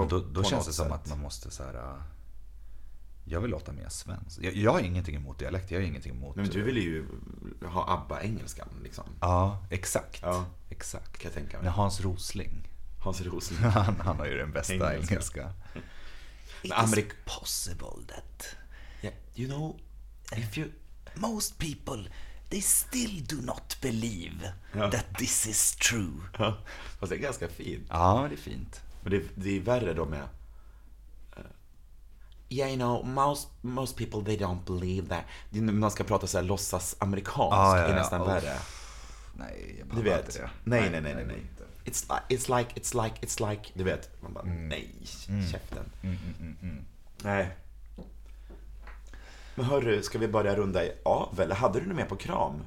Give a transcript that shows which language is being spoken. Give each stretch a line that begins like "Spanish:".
Swedish: då känns det som att man måste så här, jag vill låta mer svensk. Jag har ingenting emot dialekt, jag har ingenting emot. Men du vill ju ha ABBA engelskan liksom. Ja, exakt. Ja, exakt. Kan jag tänka mig. Men Hans Rosling. Han har ju den bästa engelska.
English: It's possible that. Yeah, you know, if you, most people, they still do not believe that this is true.
Swedish: Ja, fast det är ganska fint. Ja, det är fint. Men det är värre då med.
English: Yeah, you know, most people, they don't believe that.
Swedish: Man ska prata så här, låtsas amerikansk, är nästan värre. Nej, du vet. Nej.
English: It's like,
Swedish: du vet. Man bara, nej, käften. Nej. Men hörru, ska vi börja runda av? Eller hade du något mer på kram?